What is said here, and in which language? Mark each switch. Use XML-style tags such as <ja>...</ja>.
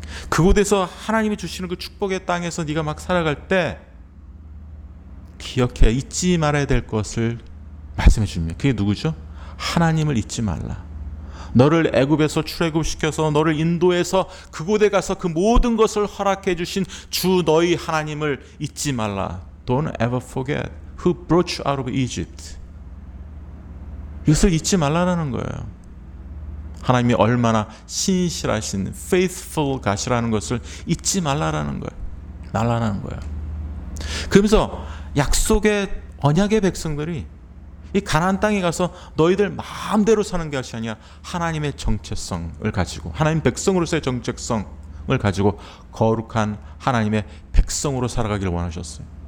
<ko>그곳에서 하나님이 주시는 그 축복의 땅에서 네가 막 살아갈 때 기억해, 잊지 말아야 될 것을 말씀해 줍니다. 그게 누구죠? 하나님을 잊지 말라. 너를 애굽에서 출애굽시켜서 너를 인도해서 그곳에 가서 그 모든 것을 허락해 주신 주 너희 하나님을 잊지 말라.</ko> <en>Don't ever forget who brought you out of Egypt.</en> <ko>이것을 잊지 말라는 거예요. 하나님이 얼마나 신실하신</ko> <en>faithful God</en> <ko>이라는 것을 잊지 말라는 거예요. 말라는 거예요. 그러면서 약속의 언약의 백성들이 이 가나안 땅에 가서 너희들 마음대로 사는 것이 아니라 하나님의 정체성을 가지고, 하나님 백성으로서의 정체성을 가지고 거룩한 하나님의 백성으로 살아가기를 원하셨어요.</ko>